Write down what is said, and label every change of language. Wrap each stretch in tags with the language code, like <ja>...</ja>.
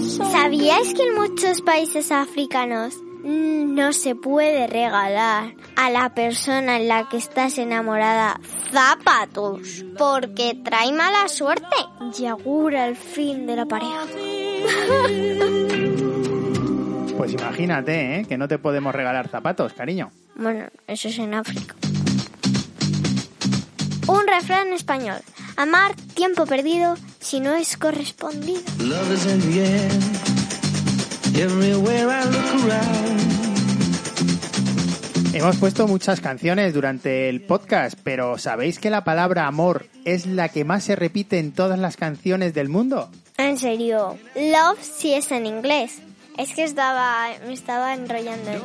<es>¿Sabíais que en muchos países africanos no se puede regalar a la persona en la que estás enamorada zapatos porque trae mala suerte y augura el fin de la pareja? Pues imagínate, ¿eh? Que no te podemos regalar zapatos, cariño. Bueno, eso es en África. Un refrán español: amar, tiempo perdido si no es correspondido.</es> <en>Love is in the air, everywhere I look around.</en> <es>Hemos puesto muchas canciones durante el podcast, pero ¿sabéis que la palabra amor es la que más se repite en todas las canciones del mundo? En serio, love sí es en inglés. Es que me estaba enrollando.</es>